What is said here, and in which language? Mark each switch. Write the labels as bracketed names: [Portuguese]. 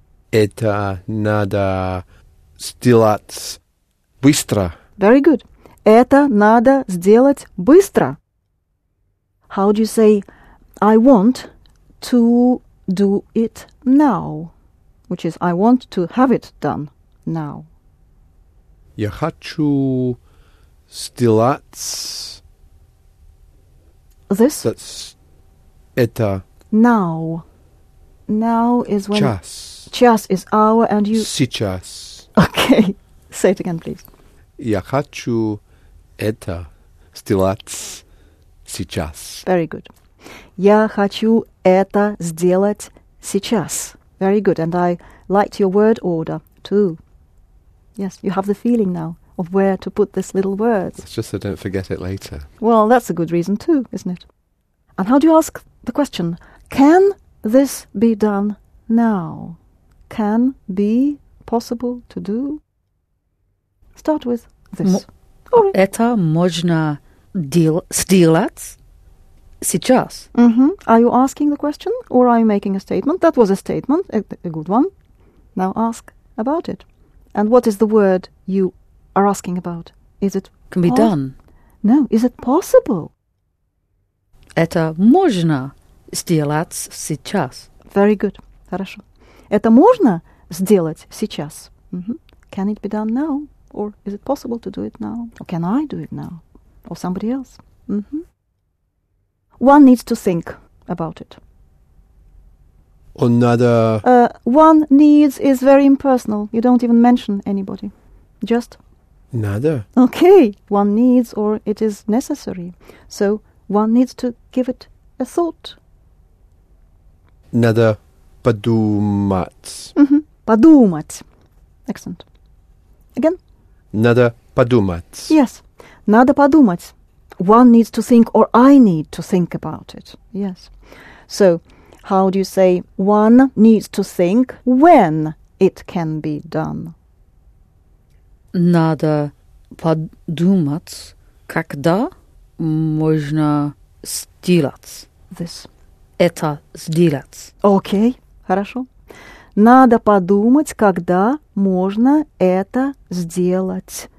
[Russian] Это надо сделать быстро. [English] Very good. [Russian] Это надо сделать быстро. [English] How do you say, I want to do it now? Which is, I want to have it done now. [Russian] Я хочу сделать... [English] This? That's... Это... Now. Now is when... [Russian] Час. [English] Час is hour and you... [Russian] Сейчас. [English] Okay. Say it again, please. [Russian] Я хочу это сделать сейчас. [English] Very good. [Russian] Я хочу это сделать сейчас. [English] Very good. And I liked your word order, too. Yes, you have the feeling now of where to put this little word. It's just so I don't forget it later. Well, that's a good reason, too, isn't it? And how do you ask the question, can this be done now? Can be possible to do? Start with this. [Russian] Это можно сделать сейчас? Mm-hmm. [English] Are you asking the question or are you making a statement? That was a statement, a good one. Now ask about it. And what is the word you are asking about? Is it... Can be done. No, is it possible? [Russian] Это можно сделать сейчас? [English] Very good. [Russian] Хорошо. Это можно сделать сейчас? [English] Mm-hmm. Can it be done now? Or is it possible to do it now? Or can I do it now? Or somebody else? Mm-hmm. One needs to think about it. Another... One needs is very impersonal. You don't even mention anybody. Just... Another. Okay. One needs or it is necessary. So one needs to give it a thought. Another подумать. Mm-hmm. Подумать. Excellent. Again. [Russian] Надо подумать. Yes. Надо подумать. [English] One needs to think or I need to think about it. Yes. So, how do you say one needs to think when it can be done? [Russian] Надо подумать, когда можно сделать. [English] This. [Russian] Это сделать. [English] Okay. [Russian] Хорошо. Надо подумать, когда можно это сделать.